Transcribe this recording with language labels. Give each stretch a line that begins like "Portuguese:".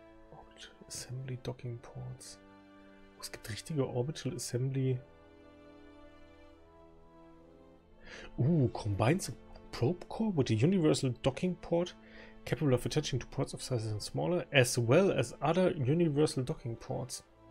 English: Orbital Assembly Docking Ports.
German: Oh, es gibt richtige Orbital Assembly.
English: Combines a probe core with a universal docking port capable of attaching to ports of sizes and smaller, as well as other universal docking ports.